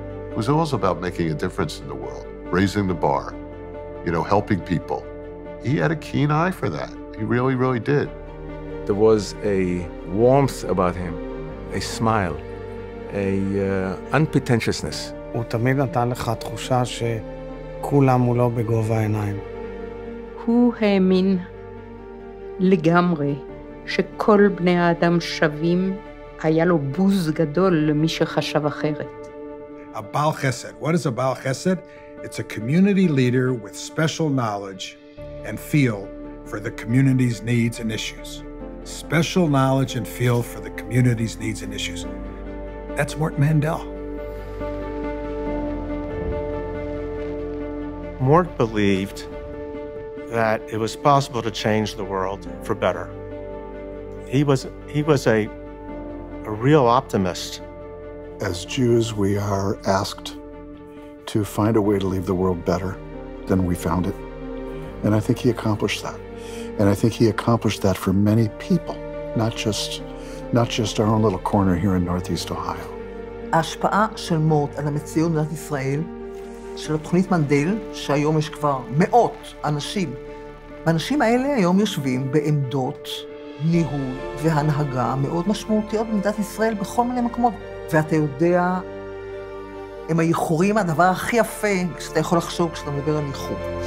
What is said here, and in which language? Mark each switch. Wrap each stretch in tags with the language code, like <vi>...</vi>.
<en>It was also about making a difference in the world, raising the bar, you know, helping people. He had a keen eye for that. He really, really did. There was a warmth about him, a smile, a unpretentiousness.</en> <he>הוא תמיד נתן לך תחושה שכולם הוא לא בגובה העיניים. הוא האמין לגמרי שכל בני האדם שווים. היה לו בוז גדול למי שחשב אחרת.</he> <en>A Baal Chesed. What is a Baal Chesed? It's a community leader with special knowledge and feel for the community's needs and issues. Special knowledge and feel for the community's needs and issues. That's Morton Mandel. Mort believed that it was possible to change the world for better. He was a real optimist. As Jews, we are asked to find a way to leave the world better than we found it. And I think he accomplished that. And I think he accomplished that for many people, not just our own little corner here in Northeast Ohio.</en> <he>ההשפעה של מורט על המציאות במדינת ישראל, של התוכנית מנדל, שהיום יש כבר מאות אנשים. האנשים האלה היום יושבים בעמדות ניהול והנהגה מאוד משמעותיות במדינת ישראל בכל מיני מקומות. ואתה יודע, הם האיחורים, הדבר הכי יפה שאתה יכול לחשוב כשאתה מדבר על איחור.</he>